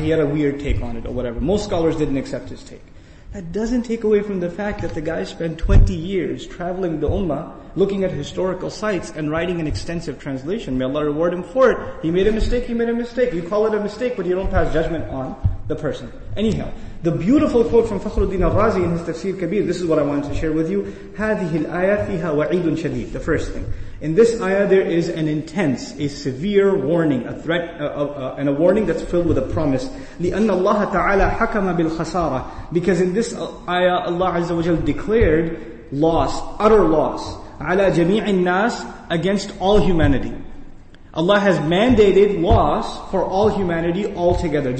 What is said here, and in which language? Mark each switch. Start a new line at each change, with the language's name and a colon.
English: He had a weird take on it or whatever. Most scholars didn't accept his take. That doesn't take away from the fact that the guy spent 20 years traveling the Ummah, looking at historical sites and writing an extensive translation. May Allah reward him for it. He made a mistake. You call it a mistake, but you don't pass judgment on the person. Anyhow, the beautiful quote from Fakhruddin al-Razi in his Tafsir Kabir, this is what I wanted to share with you.
Arabic: هذه الآية فيها وعيد شديد.
English: The first thing. In this ayah there is an intense, a severe warning, a threat, and a warning that's filled with a promise.
Arabic: لِأَنَّ اللَّهَ تَعَالَى حَكَمَ بِالْخَسَارَةِ.
English: Because in this ayah Allah Azza wa Jalla declared loss, utter loss.
Arabic: عَلَى جَمِيعِ النَّاسِ,
English: against all humanity. Allah has mandated loss for all humanity altogether.